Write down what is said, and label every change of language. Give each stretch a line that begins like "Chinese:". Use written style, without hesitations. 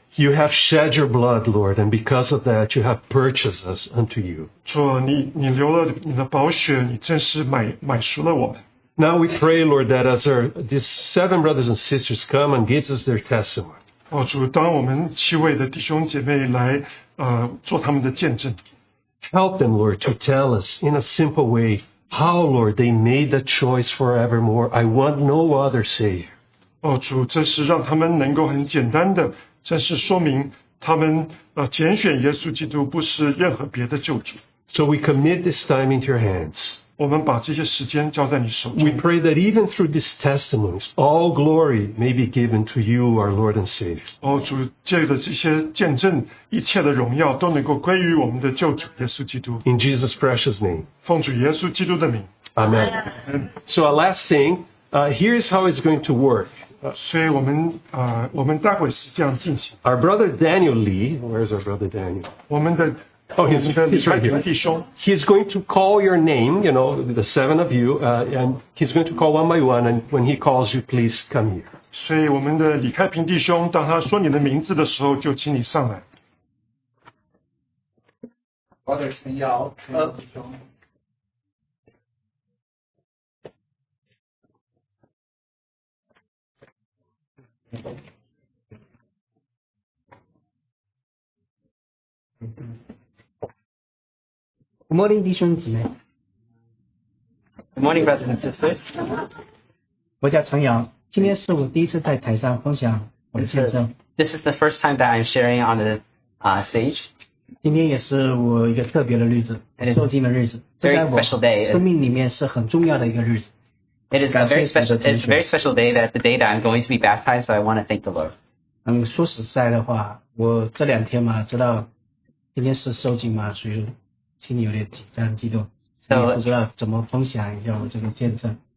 English: You have shed your blood, Lord, and because of that, you have purchased us unto you.
Chinese: 主，你流了你的宝血，你真是买赎了我们。
English: Now we pray, Lord, that as these seven brothers and sisters come and gives us their testimony.
Chinese: 主，当我们七位的弟兄姐妹来做他们的见证。
English: Help them, Lord, to tell us in a simple way how, Lord, they made the choice forevermore. I want no other Savior.
Chinese: 哦，主，这是让他们能够很简单的，这是说明他们拣选耶稣基督，不是任何别的救主。
English: So we commit this time into your hands.
Chinese: 我们把这些时间交在你手中。
English: We pray that even through these testimonies, all glory may be given to you, our Lord and Savior.
Chinese: 哦，主，借着这些见证，一切的荣耀都能够归于我们的救主耶稣基督。
English: In Jesus' precious name.
Chinese: 奉主耶稣基督的名。
English: Amen. So our last thing, here's how it's going to work.
Chinese: 所以我们待会是这样进行。
English: Our brother Daniel Lee, where's our brother Daniel?
Chinese: 我们的
English: Oh, he's right here. He's going to call your name, you know, the seven of you, and he's going to call one by one, and when he calls you, please come here.
Chinese: 所以我们的李开平弟兄，当他说你的名字的时候，就请你上来。
English: Father
Chinese: 陈耀，陈弟兄。
English: Good morning,
Chinese: 弟兄姊妹。
English: Good morning, brothers and sisters.
Chinese: 我叫陈阳，今天是我第一次在台上分享我的见证。
English: This is the first time that I'm sharing on the stage.
Chinese: 今天也是我一个特别的日子，受浸的日子。
English: Very special day.
Chinese: 生命里面是很重要的一个日子。
English: It is a very special. It's a very special day that the day that I'm going to be baptized. So I want to thank the Lord.
Chinese: 说实在的话，我这两天嘛，知道今天是受浸嘛，所以。心里有点紧张激动，所以不知道怎么分享一下我这个见证。